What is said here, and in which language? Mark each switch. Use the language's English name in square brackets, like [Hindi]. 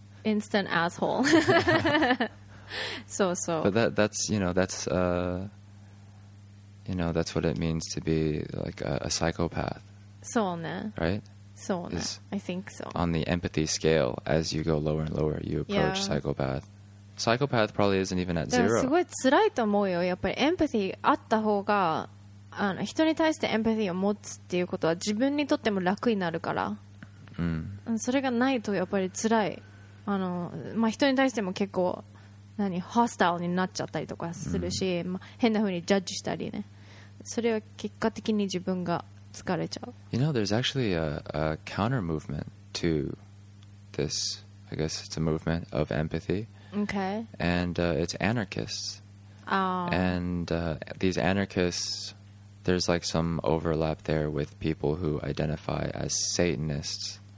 [English] Instant asshole. So. But that's, you know, that's what it means to be like a psychopath. [Japanese] そうね。 [English] Right? そうね。 I think so. On the empathy scale, as you go lower and lower, you approach psychopath. Psychopath probably isn't even at zero. [Japanese] すごい辛いと思うよ。やっぱり empathy あった方が、あの人に対してエンパシーを持つっていうことは自分にとっても楽になるから、それがないとやっぱり辛い、あの、まあ、人に対しても結構何ホスタイルになっちゃったりとかするし、まあ、変な風にジャッジしたりね、それは結果的に自分が疲れちゃう。 [English] You know, there's actually a counter movement to this. I guess it's a movement of empathy. Okay. And it's anarchists. And these anarchistsThere's like some overlap there with people who identify as Satanists.